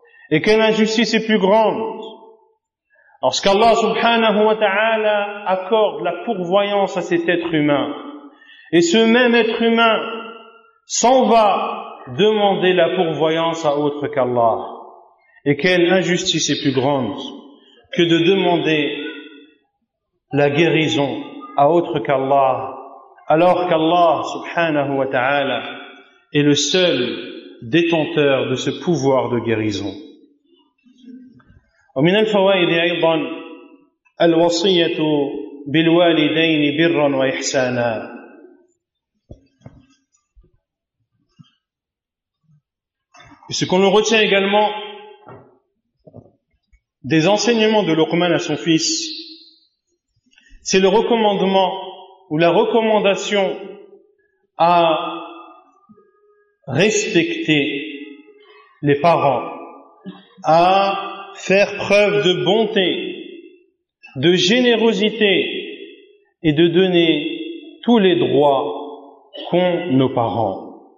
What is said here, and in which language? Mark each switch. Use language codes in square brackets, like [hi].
[fr] Et quelle injustice est plus grande lorsqu'Allah subhanahu wa ta'ala accorde la pourvoyance à cet être humain, et ce même être humain s'en va demander la pourvoyance à autre qu'Allah. Et quelle injustice est plus grande que de demander la guérison à autre qu'Allah, alors qu'Allah subhanahu wa ta'ala est le seul détenteur de ce pouvoir de guérison. [ar] ومن الفوائد أيضا الوصية بالوالدين برا وإحسانا. [fr] Et ce qu'on retient également des enseignements de Luqman à son fils, c'est le recommandement ou la recommandation à respecter les parents, à faire preuve de bonté, de générosité et de donner tous les droits qu'ont nos parents.